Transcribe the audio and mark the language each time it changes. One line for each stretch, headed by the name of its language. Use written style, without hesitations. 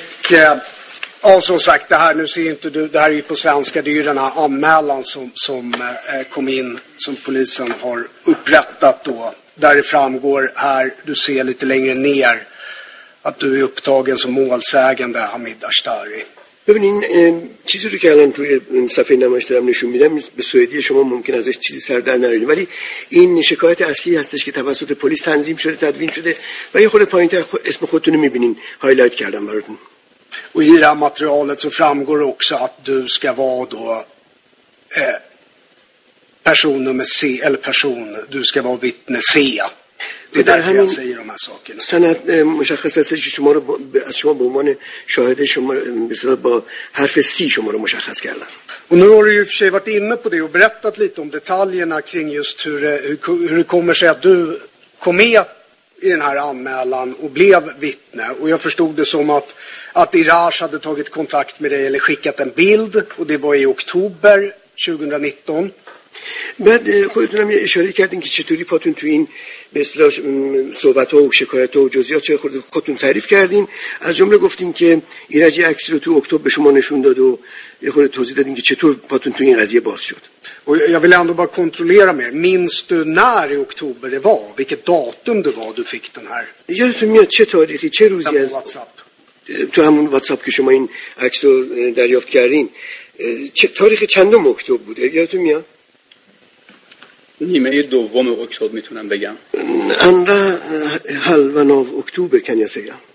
Swedish: Ja, som sagt, det här nu ser inte du, det här är ju på svenska, det är ju den här anmälan som kom in, som polisen har upprättat då. Där det framgår här, du ser lite längre ner, att du är upptagen som målsägande, Hamid Ashtari.
Persian: ببینین چیزی رو که الان توی صفحه نمایش دارم نشون میدم به سوئدی شما ممکن ازش چیزی سر در نیاره ولی این شکایت اصلی هستش که توسط پلیس تنظیم شده تدوین شده و یه خورده پایین‌تر اسم خودتون رو میبینین هایلایت کردم براتون
Swedish: و i det här materialet så framgår också att du ska vara då person nummer C eller person du ska vara vittne C
Persian: به در همین سیر ما ساکن سند مشخص است که شما رو از شما به عنوان شاهد شما به صورت با حرف سی شما رو مشخص کردن.
Swedish: Och nu har du ju för sig varit inne på det och berättat lite om detaljerna kring just hur det kommer sig att du kom med i den här anmälan och blev vittne. Och jag förstod det som att Iraj hade tagit kontakt med dig eller skickat en bild, och det var i oktober 2019.
Persian: بعد خودتونم یه اشاره کردین که چطوری پاتون تو این به اصطلاح صحبت ها و شکایت ها و جزئیات چه خورده، خودتون تعریف کردین، از جمله گفتین که ایرج عکس رو تو اکتبر به شما نشون داد و یه خورده توضیح دادین که چطور پاتون تو این قضیه باز شد.
Swedish: و jag vill ändå bara kontrollera mer. Minns du när i oktober det var, vilket datum det var du fick den här?
Persian: یادتون میاد چه تاریخی چه روزی از تو همون واتساپ که شما این عکس رو دریافت کردین تاریخ چندم اکتبر بوده؟ یادتون میاد نیمه دوم اکتبر میتونم بگم.
Swedish: اندر halvan av oktober kan jag säga.